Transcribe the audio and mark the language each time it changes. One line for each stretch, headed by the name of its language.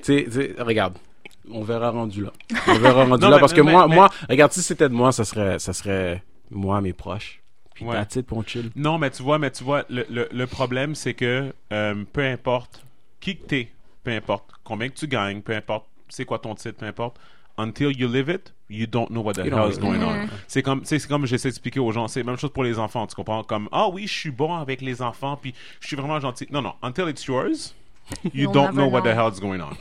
French: T'sais, regarde, on verra rendu là. On verra rendu là, parce que moi, regarde, si c'était de moi, ça serait moi, mes proches. Puis ouais. t'as-tu de bon chill? Non, mais tu vois, le problème, c'est que peu importe qui que t'es, peu importe combien que tu gagnes, peu importe c'est quoi ton titre, peu importe.
English: Until you live it, you don't know what the hell is going on.
French: C'est comme j'essaie d'expliquer aux gens, c'est la même chose pour les enfants, tu comprends? Comme, ah oui, je suis bon avec les enfants, puis je suis vraiment gentil.
English: Non, until it's yours, you don't know what the hell is going on.